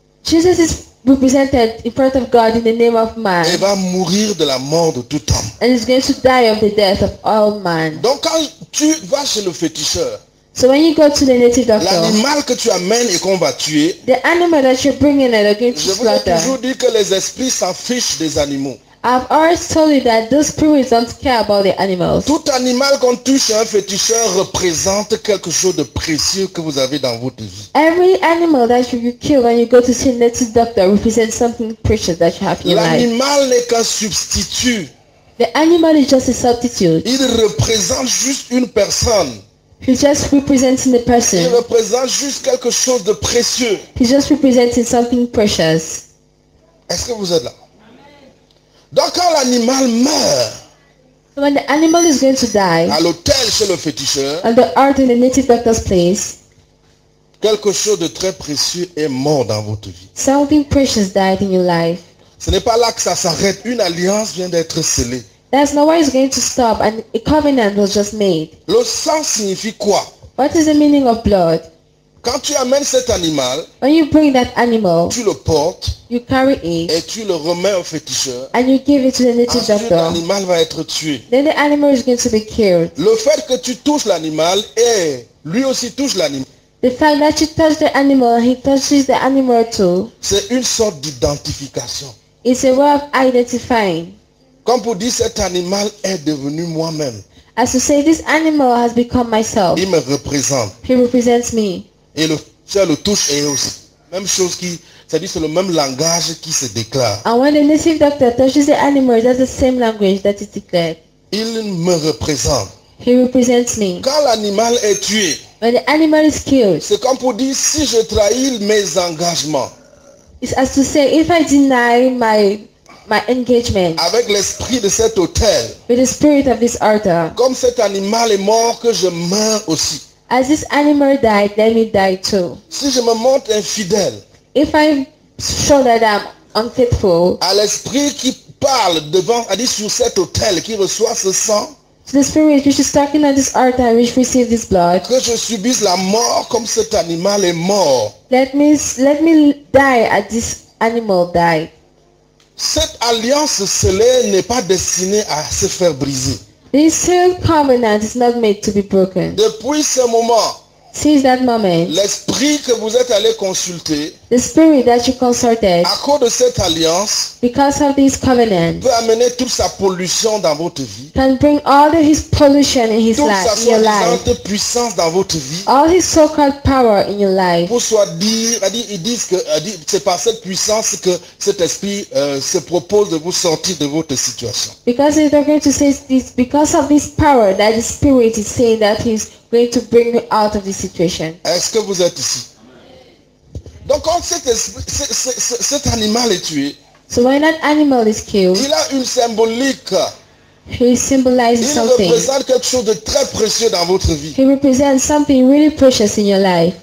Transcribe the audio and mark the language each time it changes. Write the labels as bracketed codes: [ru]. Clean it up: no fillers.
[en] Jesus is represented in front of God in the name of man. [fr] Et va mourir de la mort de tout homme. [en] And he's going to die of the death of all man. [fr] Donc quand tu vas chez le féticheur. [en] So when you go to the native doctor, [fr] l'animal que tu amènes et qu'on va tuer, [en] the animal that you're bringing and are going to slaughter. [fr] Je vous ai toujours dit que les esprits s'en fichent des animaux. [en] I've always told you that those spirits don't care about the animals. [fr] Tout animal qu'on touche un féticheur représente quelque chose de précieux que vous avez dans votre vie. [en] Every animal that you kill when you go to see a native doctor represents something precious that you have in your life. [fr] L'animal n'est qu'un substitut. [en] The animal is just a substitute. [fr] Il représente juste une personne. [en] He's just representing the person. [fr] Il représente juste quelque chose de précieux. [en] He's just representing something precious. [fr] Est-ce que vous êtes là? Amen. Donc quand l'animal meurt, [en] when the animal is going to die, [fr] à l'hôtel chez le féticheur, [en] on the earth in the native doctor's place, [fr] quelque chose de très précieux est mort dans votre vie. [en] Something precious died in your life. [fr] Ce n'est pas là que ça s'arrête. Une alliance vient d'être scellée. [en] There's no way it's going to stop, and a covenant was just made. [fr] Le sang signifie quoi? [en] What is the meaning of blood? [fr] Quand tu amènes cet animal, [en] when you bring that animal, [fr] tu le portes, [en] you carry it, [fr] et tu le remets au féticheur, [en] and you give it to the native [fr] ensuite, [en] doctor. [fr] L'animal va être tué. [en] Then the animal is going to be killed. [fr] Le fait que tu touches l'animal et lui aussi touche l'animal. [en] The fact that you touch the animal, he touches the animal too. [fr] C'est une sorte d'identification. [en] It's a way of identifying. [fr] Comme pour dire, cet animal est devenu moi-même. [en] As to say, this animal has become myself. [fr] Il me représente. [en] He represents me. [fr] Et le touche et aussi. Même chose qui C'est-à-dire c'est le même langage qui se déclare. [en] And when the native doctor touches the animal, that's the same language that is declared. [fr] Il me représente. [en] He represents me. [fr] Quand l'animal est tué, [en] when the animal is killed, [fr] c'est comme pour dire si je trahis mes engagements. [en] It's as to say if I deny my engagement. [fr] Avec l'esprit de cet autel. [en] With the spirit of this altar. [fr] Comme cet animal est mort, que je meurs aussi. [en] As this animal died, let me die too. [fr] Si je me montre infidèle. [en] If I show that I'm unfaithful. [fr] À l'esprit qui parle devant, à dire sur cet autel qui reçoit ce sang. [en] To the spirit which is talking on this altar which receives this blood. [fr] Que je subisse la mort comme cet animal est mort. [en] Let me die as this animal died. [fr] Cette alliance scellée n'est pas destinée à se faire briser. [en] This sealed covenant is not made to be broken. [fr] Depuis ce moment, [en] since that moment, [fr] l'esprit que vous êtes allé consulter, [en] the spirit that you consulted, [fr] à cause de cette alliance, [en] because of this covenant, [fr] peut amener toute sa pollution dans votre vie, [en] can bring all of his pollution in his life, [fr] toute sa soi-disante puissance dans votre vie, [en] all his so-called power in your life, [fr] pour soit dire, ils disent que c'est par cette puissance que cet esprit se propose de vous sortir de votre situation. [en] Because he's going to say this, because of this power that the spirit is saying that he's going to bring you out of this situation. [fr] Est-ce que vous êtes ici? Donc quand cet animal est tué, [en] so when that animal is killed, [fr] il a une symbolique. [en] He symbolizes [fr] il [en] something. [fr] Représente quelque chose de très précieux dans votre vie. [en] He represents something really precious in your life.